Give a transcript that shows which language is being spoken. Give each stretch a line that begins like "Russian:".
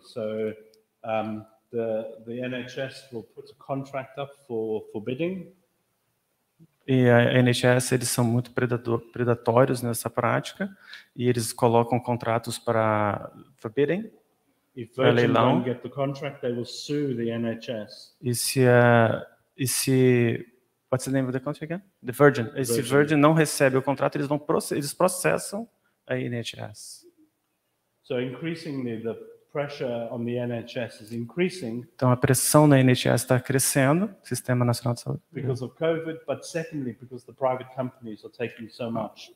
English: So the NHS will put a contract up for bidding.
Portuguese: E a NHS, eles são muito predatórios nessa prática, e eles colocam contratos para bidding.
English: If Virgin don't get the contract, they will sue the NHS.
Portuguese: E se
English: what's the name of the contract again? The Virgin.
Portuguese: Se Virgin não recebe o contrato, eles processam a NHS.
English: So increasingly the pressure on the NHS is increasing.
Portuguese: Então a pressão na NHS está crescendo, Sistema Nacional de Saúde.
English: Because of COVID, but secondly because the private companies are taking so much